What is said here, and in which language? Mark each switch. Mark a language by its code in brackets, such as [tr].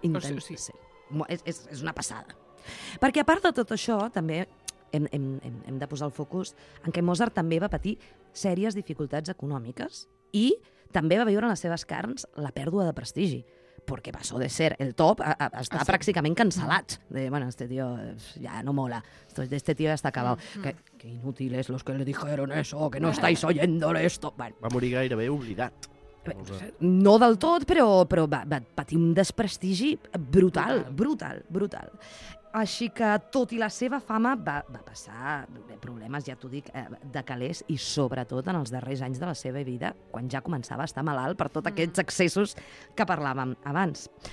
[ca] Intens, o sigui, sí. És una passada. Perquè a part de tot això, també hem de posar el focus en que Mozart també va patir sèries dificultats econòmiques i també va viure en les seves carns la pèrdua de prestigi, perquè passó de ser el top a estar pràcticament cancel·lat. [es] De, bueno, este tío ya no mola, este tío ya está acabado. Que inútiles los que le dijeron eso, que no estáis oyéndole esto. Bueno. [ca] Va morir gairebé oblidat. No del tot, però va patir un desprestigi brutal, brutal, brutal, brutal. Així que, tot i la seva fama, va passar problemes, ja t'ho dic, de calés, i sobretot en els darrers anys de la seva vida, quan ja començava a estar malalt per tots aquests excessos que parlàvem abans.